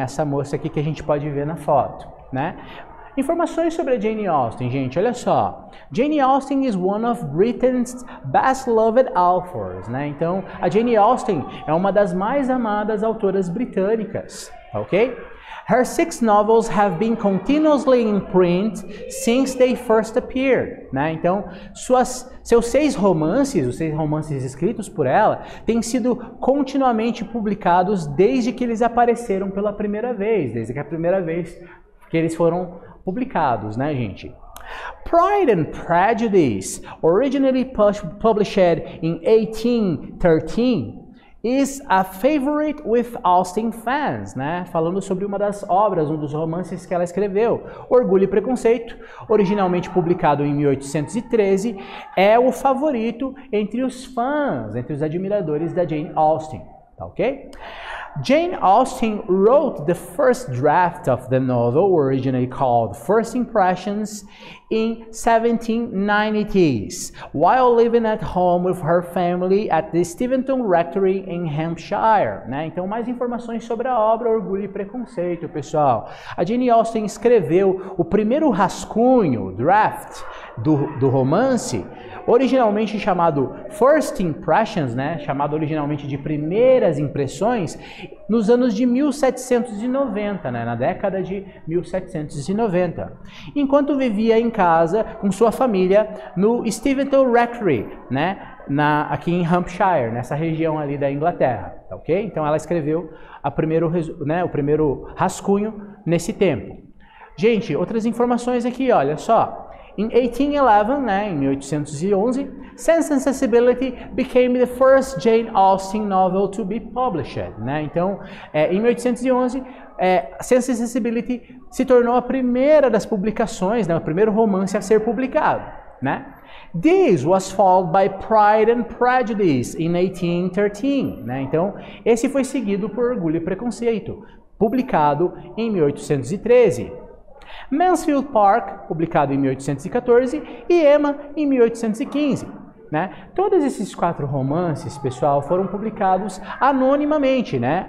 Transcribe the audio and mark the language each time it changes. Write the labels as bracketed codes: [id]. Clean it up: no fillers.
[pt] Essa moça aqui que a gente pode ver na foto, né? Informações sobre a Jane Austen, gente, olha só. [en] Jane Austen is one of Britain's best loved authors, né? [pt] Então, a Jane Austen é uma das mais amadas autoras britânicas, ok? [en] Her six novels have been continuously in print since they first appeared, né? [pt] Então, seus seis romances, os seis romances escritos por ela, têm sido continuamente publicados desde que eles apareceram pela primeira vez, desde que a primeira vez que eles foram publicados, né, gente? [en] Pride and Prejudice, originally published in 1813, is a favorite with Austen fans, né? [pt] Falando sobre uma das obras, um dos romances que ela escreveu, Orgulho e Preconceito, originalmente publicado em 1813, é o favorito entre os fãs, entre os admiradores da Jane Austen, tá ok? [en] Jane Austen wrote the first draft of the novel, originally called First Impressions, in 1790s, while living at home with her family at the Steventon Rectory in Hampshire. [pt] Né? Então, mais informações sobre a obra Orgulho e Preconceito, pessoal. A Jane Austen escreveu o primeiro rascunho, draft, do romance, originalmente chamado First Impressions, né? Chamado originalmente de Primeiras Impressões, nos anos de 1790, né? Na década de 1790. Enquanto vivia em casa com sua família no Steventon Rectory, né? Aqui em Hampshire, nessa região ali da Inglaterra, ok? Então ela escreveu o primeiro rascunho nesse tempo. Gente, outras informações aqui, olha só. [en] In 1811, [pt] né, em 1811, [en] Sense and Sensibility became the first Jane Austen novel to be published. [pt] Né? Então, em 1811, Sense and Sensibility se tornou a primeira das publicações, né, o primeiro romance a ser publicado. Né? [en] This was followed by Pride and Prejudice in 1813. [pt] Né? Então, esse foi seguido por Orgulho e Preconceito, publicado em 1813. Mansfield Park, publicado em 1814, e Emma em 1815, né? Todos esses quatro romances, pessoal, foram publicados anonimamente, né?